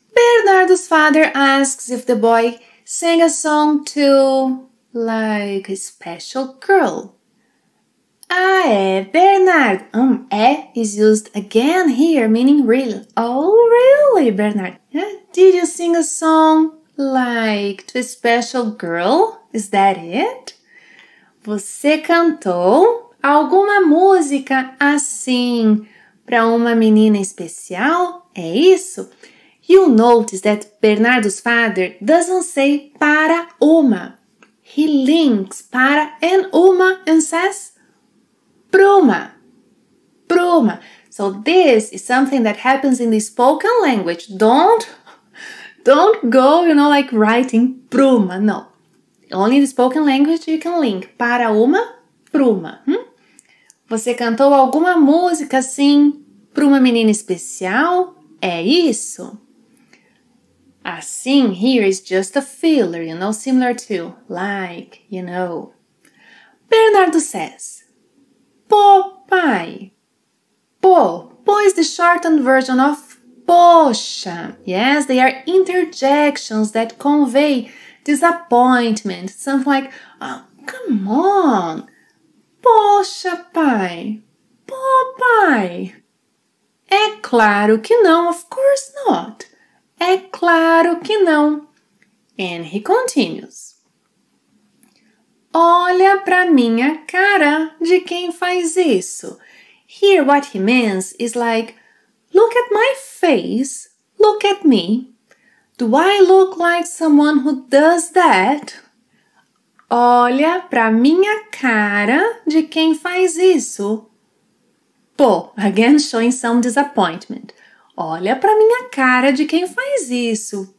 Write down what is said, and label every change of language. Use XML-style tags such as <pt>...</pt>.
<en>Bernardo's father asks if the boy sang a song to, like, a special girl.</en> <pt>Ah, é,</pt> <en>Bernardo. É is used again here, meaning really. Oh, really, Bernardo. Yeah? Did you sing a song, like, to a special girl? Is that it?</en> <pt>Você cantou alguma música assim para uma menina especial? É isso?</pt> <en>You'll notice that Bernardo's father doesn't say para uma. He links para and uma and says pruma. Pruma. So this is something that happens in the spoken language. Don't go, you know, like writing pruma, no. Only in the spoken language you can link. Para uma, pruma. Hmm?</en> <pt>Você cantou alguma música assim para uma menina especial? É isso?</pt> <en>Assim, here is just a filler, you know, similar to, like, you know. Bernardo says, pô, pai. Pô is the shortened version of poxa. Yes, they are interjections that convey disappointment, something like, oh, come on,</en> <pt>poxa pai, pô pai. É claro que não,</pt> <en>of course not,</en> <pt>é claro que não.</pt> <en>And he continues,</en> <pt>olha pra minha cara de quem faz isso.</pt> <en>Here what he means is like, look at my face, look at me. Do I look like someone who does that?</en> <pt>Olha pra minha cara de quem faz isso. Pô,</pt> <en>again showing some disappointment.</en> <pt>Olha pra minha cara de quem faz isso.</pt>